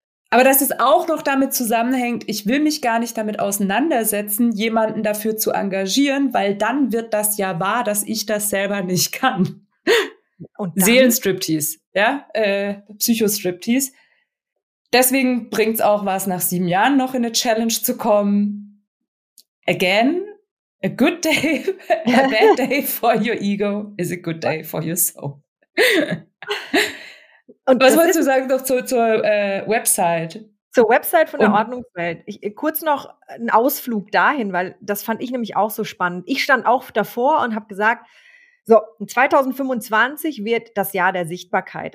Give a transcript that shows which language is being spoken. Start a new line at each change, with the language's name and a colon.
German: Aber dass es auch noch damit zusammenhängt, ich will mich gar nicht damit auseinandersetzen, jemanden dafür zu engagieren, weil dann wird das ja wahr, dass ich das selber nicht kann. Und Seelenstriptease, ja, Psychostriptease. Deswegen bringt es auch was, nach 7 Jahren noch in eine Challenge zu kommen.
English: Again, a good day, a bad day for your ego is a good day for your soul.
German: Und was wolltest du sagen noch zur Website? Zur Website von der Ordnungswelt. Kurz noch einen Ausflug dahin, weil das fand ich nämlich auch so spannend. Ich stand auch davor und habe gesagt, so, 2025 wird das Jahr der Sichtbarkeit.